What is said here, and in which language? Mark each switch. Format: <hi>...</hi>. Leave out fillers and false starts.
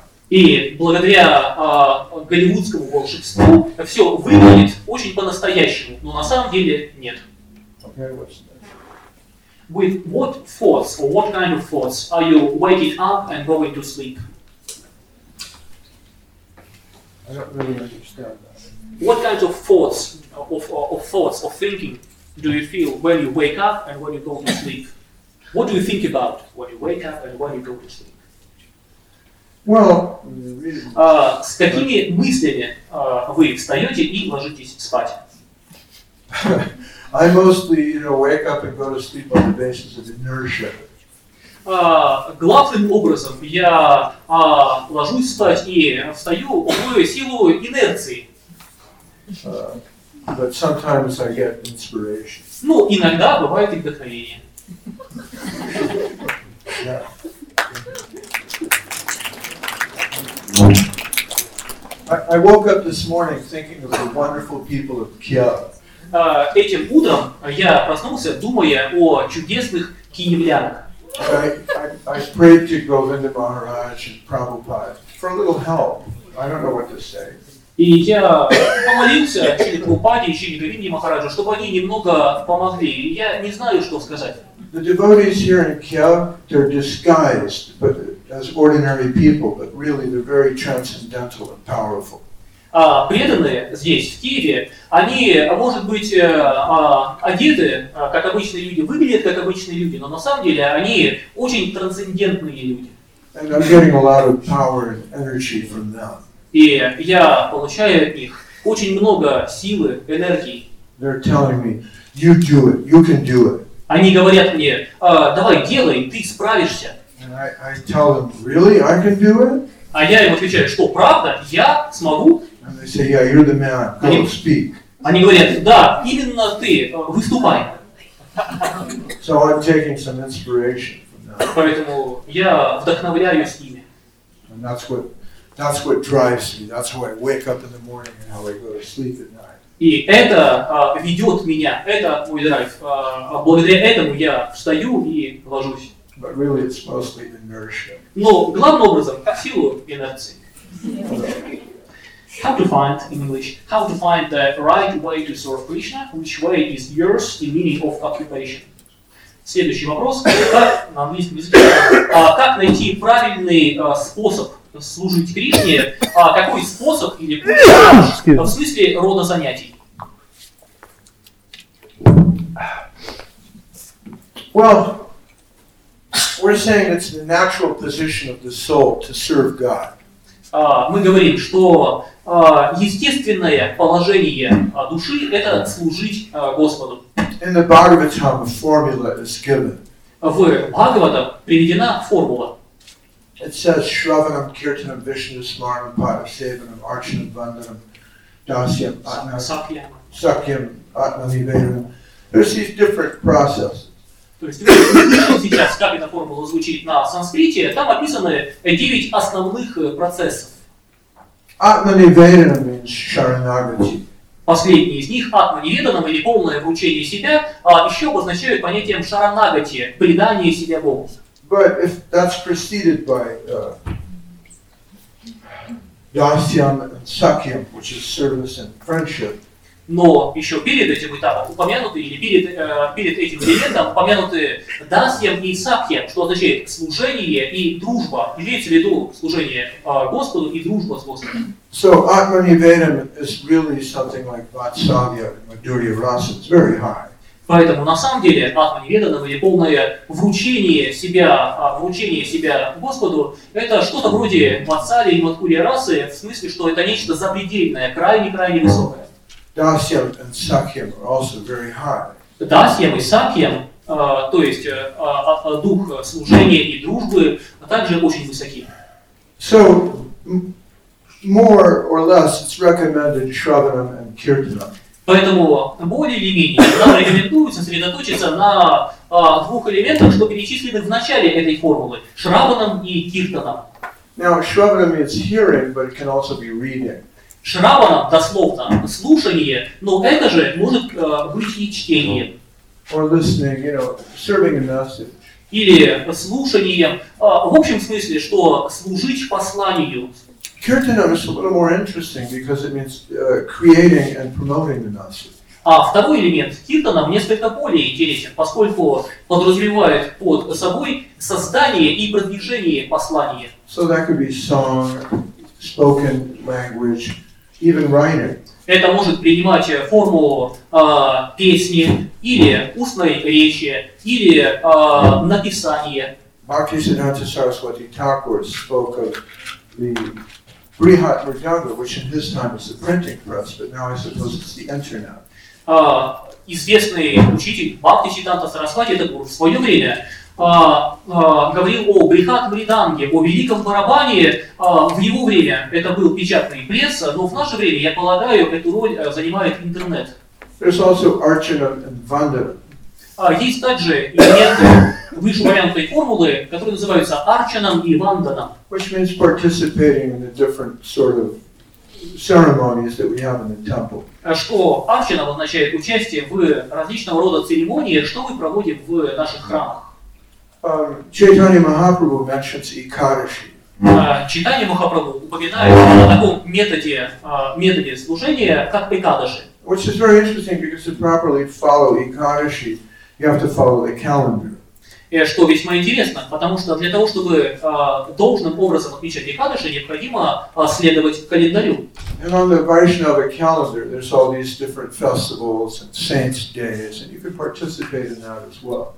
<ru>И благодаря голливудскому волшебству все выглядит очень по-настоящему, но на самом деле нет.</ru> <en>Okay, what's that? With what thoughts or what kind of thoughts are you waking up and going to sleep? I don't really understand that. What kinds of thoughts, of thoughts, of thinking, do you feel when you wake up and when you go to sleep? What do you think about when you wake up and when you go to sleep? Well,</en> <ru>с какими мыслями вы встаете и ложитесь спать?</ru> <en>I mostly, you know, wake up and go to sleep on the basis of inertia.</en> <ru>Главным образом я ложусь спать и встаю основную силу инерции.</ru> <en>But sometimes I get inspiration.</en> <ru>Ну, иногда бывает и вдохновение.</ru> <en>I woke up this morning thinking of the wonderful people of Kiev.</en> <ru>Этим утром я проснулся, думая о чудесных киевлянах.</ru> <en>I prayed to Govinda Maharaj and Prabhupada for a little help. I don't know what to say.</en> <ru>И я помолился Шри Прабхупаде и Шри Говинде Махараджу, чтобы они немного помогли. И я не знаю, что сказать.</ru> <en>The devotees here in Kiev, they're disguised, but as ordinary people, but really they're very transcendental and powerful.</en> <ru>Преданные здесь, в Киеве, они, может быть, одеты, как обычные люди, выглядят как обычные люди, но на самом деле они очень трансцендентные люди.</ru> <en>And I'm getting a lot of power and energy from them.</en> <ru>И я получаю от них очень много силы, энергии.</ru> <en>They're telling me, you do it, you can do it.</en> <ru>Они говорят мне, давай, делай, ты справишься.</ru> <en>And I tell them, really, I can do it?</en> <ru>А я им отвечаю, что правда, я смогу?</ru> <en>And they say, yeah, you're the man, go</en> <ru>они,</ru> <en>speak.</en> <ru>Они говорят, да, именно ты, выступай.</ru> <en>So I'm taking some inspiration from that.</en> <ru>Поэтому я вдохновляюсь ими.</ru> <en>And that's what... That's what drives me. That's how I wake up in the morning and how I go to sleep at night.</en> <ru>И это ведет меня. Это мой драйв. Благодаря этому я встаю и ложусь.</ru> <en>But really, it's mostly inertia.</en> <ru>Но главным образом, как силу инерции.</ru> <en>How to find in English? How to find the right way to serve Krishna? Which way is yours in meaning of occupation?</en> <ru>Следующий вопрос. Как на английском языке? Как найти правильный способ? Служить Кришне, а какой способ или путь в смысле рода занятий?</ru> <en>Well, we're saying it's the natural position of the soul to serve God.</en> <ru>Мы говорим, что естественное положение души – это служить Господу.</ru> <en>In the Bhagavatam, a formula is given.</en> <ru>В Бхагаватам приведена формула.</ru> <en>It says Shravanam, Kirtanam, Vishnu, Smaranam, Padasevanam, Archanam, Vandanam, Dasyam, Sakyam, Atmanivedanam. There's these different processes.</en> <ru>Сейчас как эта формула звучит на санскрите, там описаны 9 основных процессов.</ru> <en>Atmanivedanam means Sharanagati.</en> <ru>Последний из них, Atmanivedanam, или полное вручение себя, еще обозначают понятием Sharanagati, предание себя Богу.</ru> <en>But if that's preceded by Dasyam and Sakyam, which is service and friendship,</en> <ru>Но еще перед этим этапом упомянуты, или перед, перед этим элементом упомянуты дасьям и сакхьям, что означает служение и дружба. Имеется в виду служение Господу и дружба с Господом.</ru> <en>So Atmanivedam is really something like Vatsalya Madhurya Rasa. It's very high.</en> <ru>Поэтому на самом деле Атманиведана или полное вручение себя, Господу, это что-то вроде Ватсалья и Мадхурья Расы, в смысле, что это нечто запредельное, крайне-крайне высокое.</ru> <en>Dasyam and Sakyam are also very high.</en> <ru>Dasyam и Sakyam, то есть дух служения и дружбы, также очень высоки.</ru> <en>So, more or less, it's recommended Shravanam and Kirtanam.</en> <ru>Поэтому, более или менее, нам рекомендуется сосредоточиться на двух элементах, что перечислены в начале этой формулы, Шраванам и Киртанам.</ru> <en>Now, Shravanam is hearing, but it can also be reading.</en> <ru>Шравана, дословно, слушание, но это же может быть и чтение.</ru> <en>Or listening, you know, serving a message.</en> <ru>Или слушание, в общем смысле, что служить посланию.</ru> <en>Kirtanam is a little more interesting because it means creating and promoting the message.</en> <ru>А второй элемент киртанам несколько более интересен, поскольку подразумевает под собой создание и продвижение послания.</ru> <en>So that could be song, spoken language, even writing.</en> <ru>Это может принимать форму песни, или устной речи, или написания.</ru> <en>Bhaktisiddhanta Saraswati Thakur spoke of the Brihat Mridanga, which in his time was the printing press, but now I suppose it's the internet.</en> <ru>Известный учитель Бхактисиддханта Сарасвати Тхакур в свое время говорил о Брихат Мриданге, о великом барабане. В его время это был печатный пресс, но в наше время, я полагаю, эту роль занимает интернет.</ru> <en>There's also Archanam and Vandanam.</en> <ru>Есть также элементы вышеупомянутой формулы, которые называются Archanam и Vandanam.</ru> <en>Which means participating in the different sort of ceremonies that we have in the temple.</en> <ru>Что Archanam означает участие в различного рода церемониях, что мы проводим в наших храмах.</ru> <en>Чайтанья Махапрабху mentions Икадаши.</en> <ru>Чайтанья Махапрабху упоминает о таком методе, методе служения, как Икадаши.</ru> <en>Which is very interesting because to properly follow Икадаши, you have to follow the calendar.</en> <ru>Что весьма интересно, потому что для того, чтобы должным образом отмечать Икадаши, необходимо следовать календарю.</ru> <en>And on the Vaishnava calendar, there's all these different festivals and saints' days, and you can participate in that as well.</en>